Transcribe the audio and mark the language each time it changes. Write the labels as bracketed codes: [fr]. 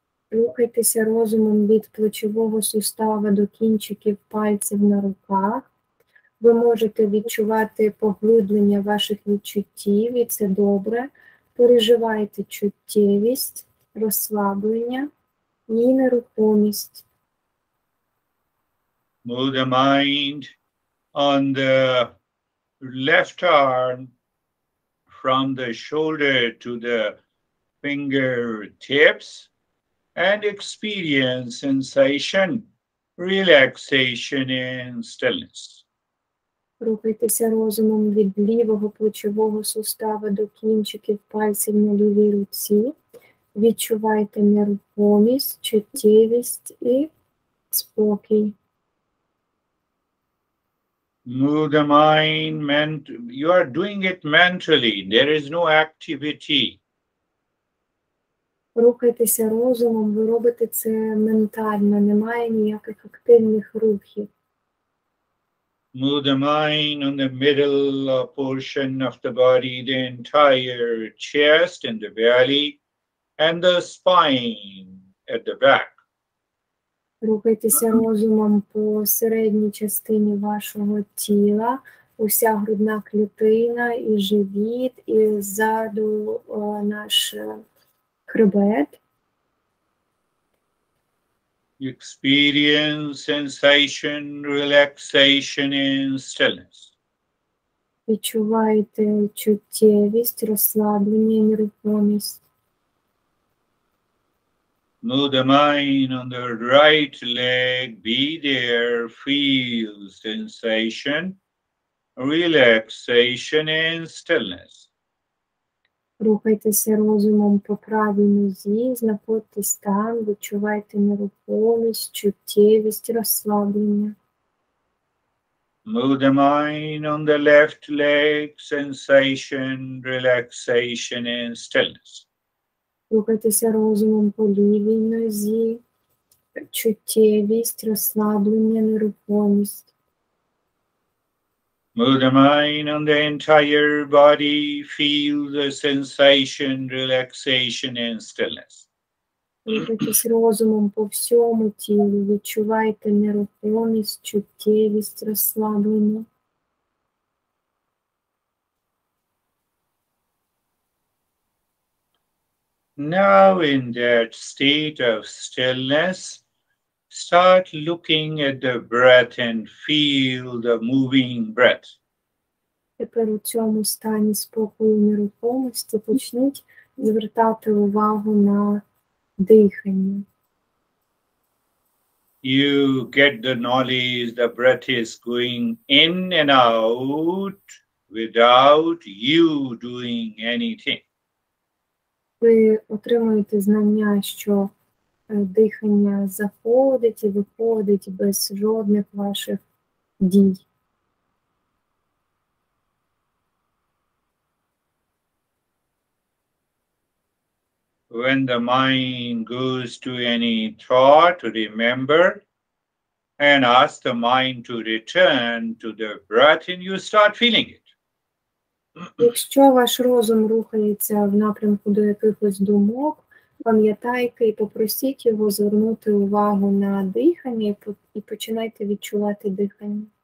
[uk] рухайтеся розумом від плечового сустава до кінчиків пальців на руках. Ви можете відчувати поглиблення ваших відчуттів, і це добре. Переживайте чуттєвість, розслаблення і нерухомість. [en] Move the mind on the left arm from the shoulder to the fingertips and experience sensation, relaxation and stillness. [uk] Рухайтеся розумом від лівого плечового сустава до кінчиків пальців на лівій руці. Відчувайте нерухомість, чуттєвість і спокій. [en] Move the mind, you are doing it mentally, there is no activity. [uk] Рухайтеся розумом, ви робите це ментально, немає ніяких активних рухів. [en] Move the mind on the middle portion of the body, the entire chest and the belly, and the spine at the back. [uk] Рухайтеся розумом по середній частині вашого тіла, уся грудна клітина і живіт, і ззаду наш хребет. [en] Experience sensation, relaxation and stillness. [uk] Відчувайте чуттєвість, розслаблення і нерухомість. [en] Move the mind on the right leg, be there, feel sensation, relaxation and stillness. [uk] Рухайтеся розумом по правій нозі, знаходьтесь там, відчувайте нерухомість, чуттєвість, розслаблення. [en] Move the mind on the left leg, sensation, relaxation and stillness. [uk] Рухайтеся розумом по лівій нозі, чуттєвість, розслаблення, нерухомість. [en] Move the mind on the entire body, feel the sensation, relaxation and stillness. [uk] Рухайтесь розумом по всьому тілу, відчувайте нерухомість, чуттєвість, розслаблення. [en] Now in that state of stillness, start looking at the breath and feel the moving breath. [uk] Тепер у цьому стані спокою і нерухомості почніть звертати увагу на дихання. [en] You get the knowledge the breath is going in and out without you doing anything. [uk] Ви отримуєте знання, що дихання заходить і виходить без жодних ваших дій. [en] When the mind goes to any thought, remember and ask the mind to return to the breath and you start feeling it. [uk] Якщо ваш розум рухається в напрямку до якихось думок, пам'ятайте і попросіть його звернути увагу на дихання і починайте відчувати дихання.